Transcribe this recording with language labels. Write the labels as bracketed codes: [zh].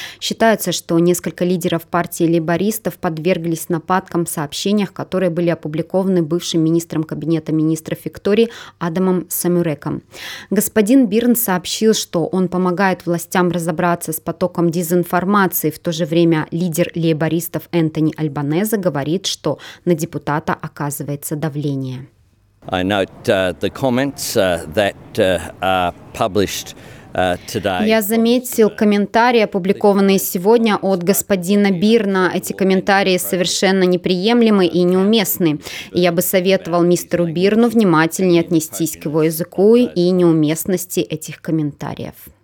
[ru] Считается, что несколько лидеров партии лейбористов подверглись нападкам в сообщениях, которые были опубликованы бывшим министром кабинета министров Виктории Адамом Самюреком. Господин Бирн сообщил, что он помогает властям разобраться с потоком дезинформации. В то же время лидер лейбористов Энтони Альбанезе говорит, что на депутата оказывается давление. [en] I note the comments that are published. [ru] Я заметил комментарии, опубликованные сегодня от господина Бирна. Эти комментарии совершенно неприемлемы и неуместны. И я бы советовал мистеру Бирну внимательнее отнестись к его языку и неуместности этих комментариев.